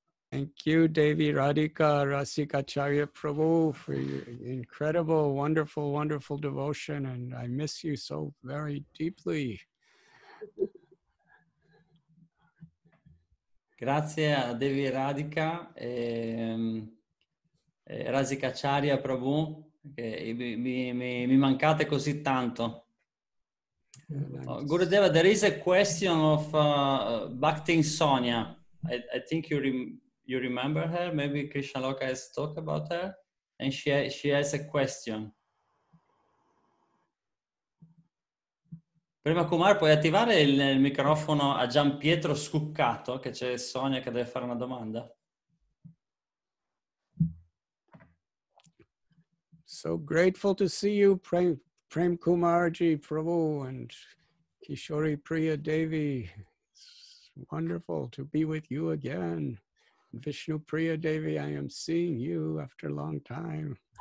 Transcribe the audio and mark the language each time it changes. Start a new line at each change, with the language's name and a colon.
English: Thank you, Devi Radhika, Rasika Charya Prabhu, for your incredible, wonderful, wonderful devotion, and I miss you so very deeply.
Italian: Grazie a Devi Radhika e Rasika Charya Prabhu, che mi mancate così tanto.
English: Gurudeva, there is a question of Bhakti Sonia. I think you you remember her, maybe Krishna Loka has talked about her, and she has a question.
Italian: Prima Kumar, puoi attivare il microfono a Gian Pietro Scuccato, che c'è Sonia che deve fare una domanda.
English: So grateful to see you, Prem Kumarji Prabhu and Kishori Priya Devi. It's wonderful to be with you again. Vishnu Priya Devi, I am seeing you after a long time.